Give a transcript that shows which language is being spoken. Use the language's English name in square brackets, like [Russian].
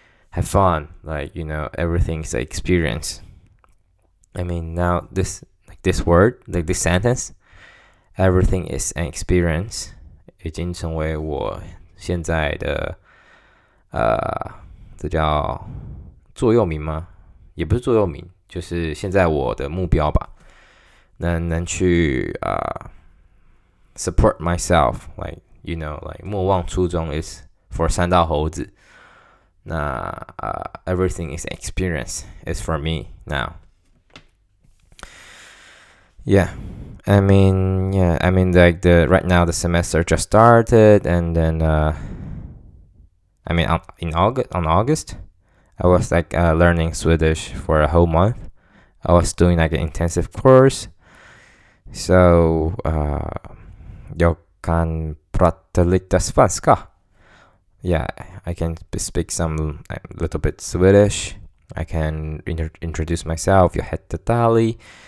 [English] Have fun, like, you know, everything is an experience. I mean, now this, like, this word, like, this sentence, everything is an experience, [Chinese] 已经成为我现在的这叫座右铭吗？也不是座右铭，就是现在我的目标吧。能去 [English] support myself, like, you know, like, [Chinese] 莫忘初衷 [English] is for [Chinese] 三道猴子。那 [English] everything is experience is for me now. Yeah, I mean like the right now the semester just started and then in August I was like learning Swedish for a whole month. I was doing like an intensive course. So [Swedish] jag kan prata lite svenska. [English] Yeah, I can speak some little bit Swedish. I can introduce myself. [Swedish] Jag heter Dali.